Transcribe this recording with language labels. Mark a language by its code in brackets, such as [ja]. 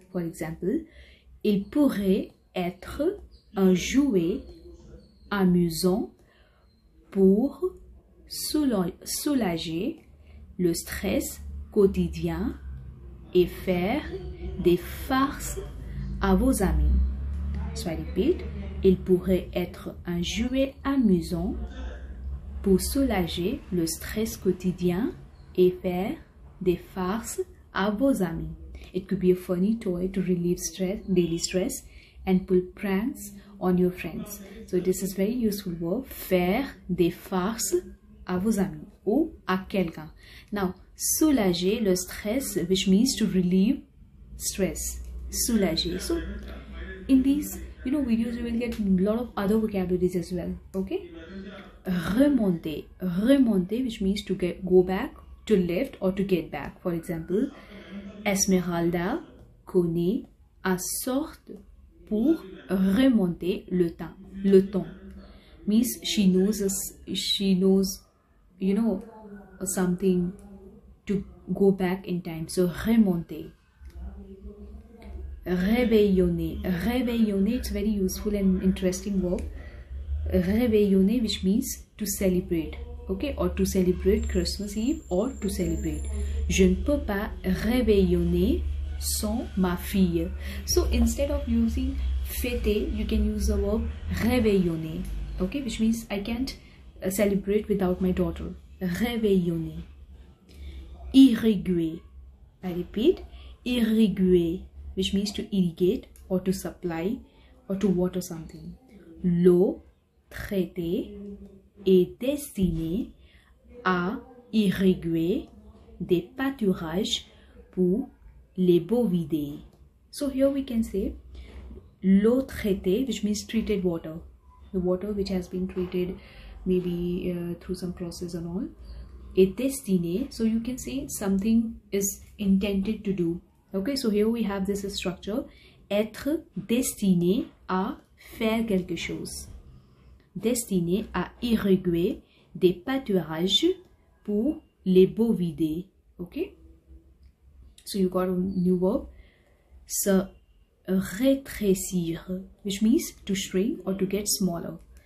[en] For example, [fr] il pourrait être un jouet amusant pour soulager le stress quotidien et faire des farces à vos amis. [en] So I repeat, [fr] il pourrait être un jouet amusant pour soulager le stress quotidien et faire des farces à vos amis. [en] It could be a funny toy to relieve stress, daily stress, and pull pranks on your friends. So this is very useful verb, [fr] faire des farces à vos amis ou à quelqu'un. [en] Now, [fr] soulager le stress, [en] which means to relieve stress. Soulager. So in these, you know, videos, you will get a lot of other vocabularies as well. Okay? Remonter. Remonter, which means to go back. To lift or to get back. For example, [fr] Esmeralda connaît un sort pour remonter le temps. [en] Le temps means she knows, you know, something to go back in time. So remonter. Réveillonner. Réveillonner, it's very useful and interesting verb. Réveillonner, which means to celebrate. Okay, or to celebrate Christmas Eve, or to celebrate. [fr] Je ne peux pas réveillonner sans ma fille. [en] So instead of using fêter, you can use the verb réveillonner. Okay, which means I can't celebrate without my daughter. Réveillonner. Irriguer. I repeat, irriguer, which means to irrigate or to supply or to water something. [fr] L'eau traitée est destiné à irriguer des pâturages pour les bovidés. [en] So here we can say [fr] l'eau traitée, [en] which means treated water. The water which has been treated maybe through some process and all, [fr] est destiné. [en] So you can say something is intended to do. Okay, so here we have this structure, [fr] être destiné à faire quelque chose. Destiné à irriguer des pâturages pour les bovidés. [en] Ok? So you got a new verb. Se rétrécir, which means to shrink or to get smaller.